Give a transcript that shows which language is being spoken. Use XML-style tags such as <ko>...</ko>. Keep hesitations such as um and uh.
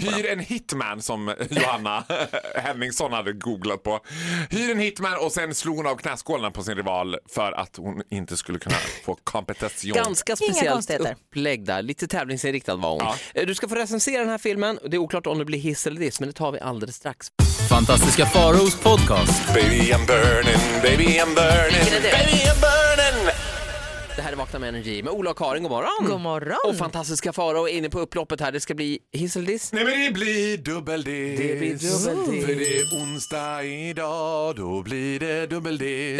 <sv>på Hyr dem. en hitman som Johanna Henningsson hade googlat på. Hyr en hitman och sen slog hon av knäskålarna på sin rival för att hon inte skulle kunna få kompetition. Ganska speciellt upplägg där. Lite tävlingsinriktad var hon. Ja. Du ska få recensera den här filmen. Det är oklart om det blir hiss eller diss, men det tar vi alldeles strax. Fantastiska Faros podcast.</sv> <en>Baby I'm burning, baby I'm burning, baby I'm burning.</en> <sv>Det här är Vakna med Energy med Ola och Karin, god morgon. God morgon. Och fantastiska fara och är inne på upploppet här, det ska bli hiss eller diss. Nej men det blir dubbeldiss. Det blir dubbeldiss. För oh. det är onsdag idag, då blir det dubbeldiss.</sv>